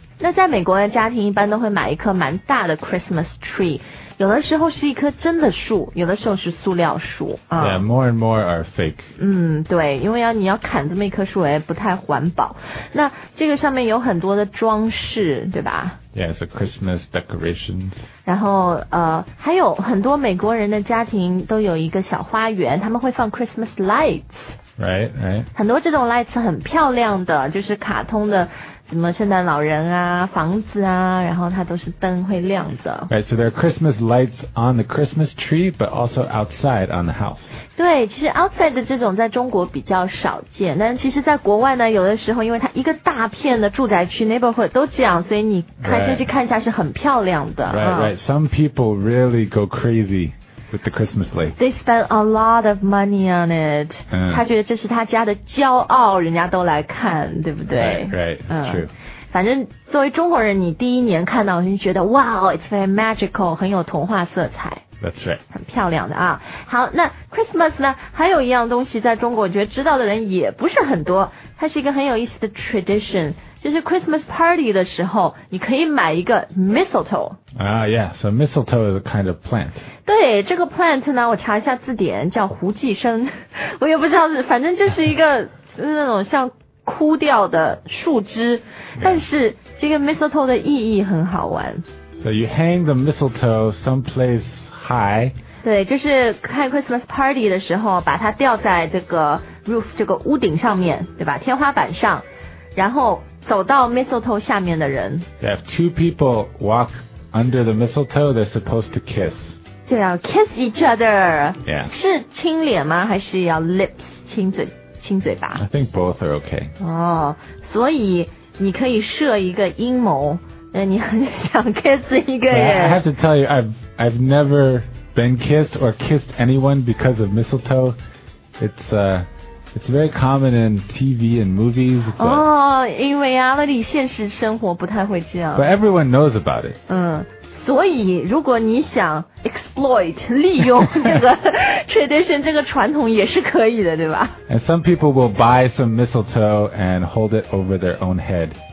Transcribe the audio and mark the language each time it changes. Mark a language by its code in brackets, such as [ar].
[zh] 那在美国的家庭一般都会买一棵蛮大的 Christmas tree。有的时候是一棵真的树，有的时候是塑料树啊。 [en] Yeah, more and more are fake. [zh] 对，因为你要砍这么一棵树也不太环保。那这个上面有很多的装饰，对吧？ [en] Yeah, so Christmas decorations. [zh] 然后还有很多美国人的家庭都有一个小花园，他们会放 Christmas lights. [en] Right, right. [zh] 很多这种 lights 很漂亮的，就是卡通的。什么圣诞老人啊，房子啊，然后它都是灯会亮着。 [en] Right, so there are Christmas lights on the Christmas tree, but also outside on the house. [zh] 对，其实 outside 的这种在中国比较少见，但其实在国外呢，有的时候因为它一个大片的住宅区 neighborhood 都这样，所以你开车去看一下是很漂亮的。 [en] Right, some people really go crazy. With the Christmas lights. They spend a lot of money on it. [zh] 他觉得这是他家的骄傲，人家都来看，对不对？ [en] Right, true. [zh] 反正作为中国人，你第一年看到，你就觉得 [en] wow, it's very magical, [zh] 很有童话色彩。 [en] That's right. [zh] 很漂亮的啊。好，那 Christmas 呢，还有一样东西在中国，我觉得知道的人也不是很多。它是一个很有意思的 tradition, 就是 Christmas party 的时候，你可以买一个 mistletoe. [en] Yeah, so mistletoe is a kind of plant. [zh] 对，这个 plant 呢，我查一下字典，叫胡寄生，我也不知道，反正就是一个那种像枯掉的树枝，但是这个 mistletoe 的意义很好玩。 [en] So you hang the mistletoe someplace high. [zh] 对，就是开 Christmas party 的时候，把它吊在这个roof 这个屋顶上面，对吧？天花板上，然后走到 mistletoe 下面的人。 [en] Yeah, if two people walk under the mistletoe, they're supposed to kiss. [zh] 就要 [en] kiss each other. Yeah. [zh] 是亲脸吗？还是要 lips 亲嘴亲嘴巴 [en] ？I think both are okay. [zh] 所以你可以设一个阴谋，你很想 kiss 一个人。 [en] I have to tell you, I've never been kissed or kissed anyone because of mistletoe. It's It's very common in TV and movies. In reality, [zh] 现实生活不太会这样。 [en] But everyone knows about it. [zh] 所以如果你想 exploit, 利用这个 tradition, 这个传统也是可以的对吧 [en] And some people will buy some mistletoe and hold it over their own head.